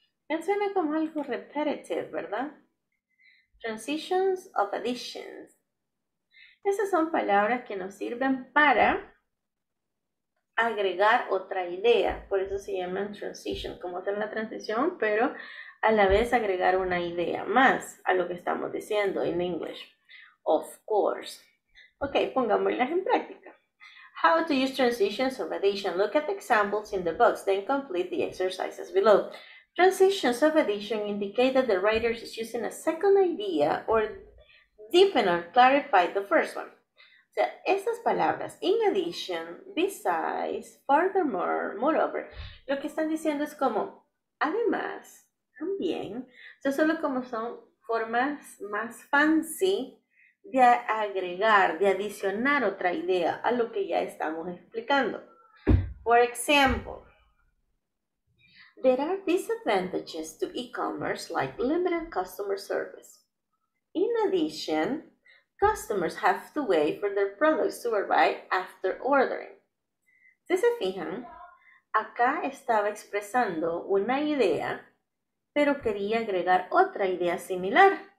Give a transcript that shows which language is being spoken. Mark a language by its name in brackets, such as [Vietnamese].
[Spanish] Me suena como algo repetitive, ¿verdad? [English] Transitions of additions. [Spanish] Esas son palabras que nos sirven para agregar otra idea. Por eso se llaman transition, como hacer la transición, pero a la vez agregar una idea más a lo que estamos diciendo en English. [English] Of course. [Spanish] Ok, pongámoslas en práctica. [English] How to use transitions of addition. Look at the examples in the box, then complete the exercises below. Transitions of addition indicate that the writer is using a second idea or deepen or clarify the first one. [Spanish] O sea, estas palabras, [English] in addition, besides, furthermore, moreover, [Spanish] lo que están diciendo es como, además, también, o sea, solo como son formas más fancy de agregar, de adicionar otra idea a lo que ya estamos explicando. [English] For example, there are disadvantages to e-commerce like limited customer service. In addition, customers have to wait for their products to arrive after ordering. [Spanish] Si se fijan, acá estaba expresando una idea, pero quería agregar otra idea similar.